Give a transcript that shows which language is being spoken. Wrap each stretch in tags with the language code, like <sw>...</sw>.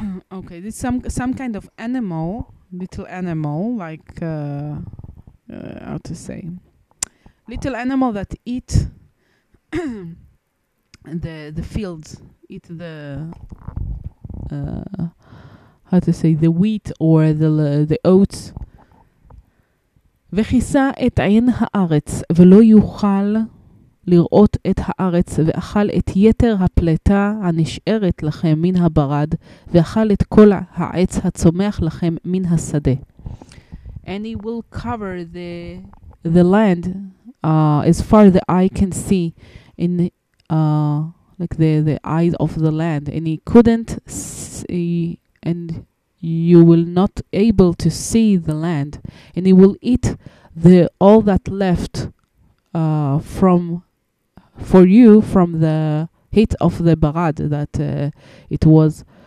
<en>Okay, this some kind of animal, little animal, like how to say, little animal that eat the fields, eat the how to say, the wheat or the oats.</en> <he>וכיסה את עין הארץ ולא יוכל לראות את הארץ ואכל את יתר הפלטה הנשארת לכם מן הברד ואכל את כל העץ הצומח לכם מן השדה.</he> <en>And he will cover the land as far as the eye can see in the eyes of the land, and he couldn't see, and you will not able to see the land, and he will eat the all that left from the heat of the barad, that it was</en>